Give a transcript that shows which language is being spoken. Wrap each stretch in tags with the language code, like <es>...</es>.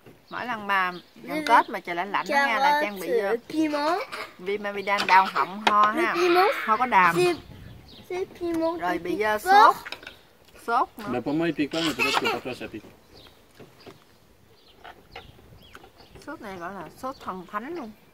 <vi>Mỗi lần mà gần Tết mà trời lạnh lạnh đó nghe là Trang bị</vi> <fr>piment.</fr> <vi>Viêm amidan đau họng ho ha. Ho có đàm.</vi> <fr>C'est piment.</fr> <vi>Rồi bị da sốt. Sốt nữa.</vi> <fr>Mais pour moi il pique pas mais peut-être que pour toi ça pique.</fr> <vi>Sốt này gọi là sốt thần thánh luôn.</vi>